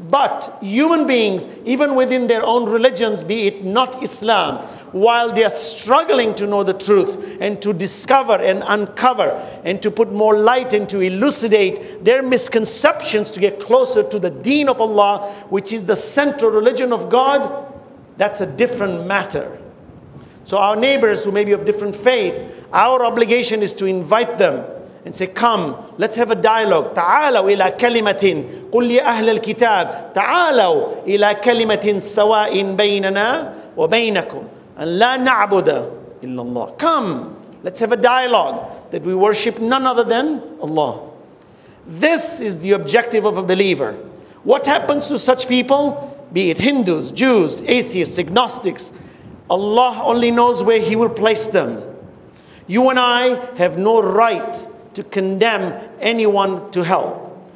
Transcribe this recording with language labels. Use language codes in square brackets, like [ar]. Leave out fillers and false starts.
[en] But human beings, even within their own religions, be it not Islam, while they are struggling to know the truth and to discover and uncover and to put more light and to elucidate their misconceptions to get closer to the deen of Allah, which is the central religion of God, that's a different matter. So our neighbors who may be of different faith, our obligation is to invite them and say, "Come, let's have a dialogue. [ar] تعالوا إلى كلمة قل يا أهل الكتاب تعالوا إلى كلمة سواء بيننا وبينكم أن لا نعبد إلا الله." [en] Come, let's have a dialogue that we worship none other than Allah. This is the objective of a believer. What happens to such people, be it Hindus, Jews, atheists, agnostics? Allah only knows where He will place them. You and I have no right to condemn anyone to hell.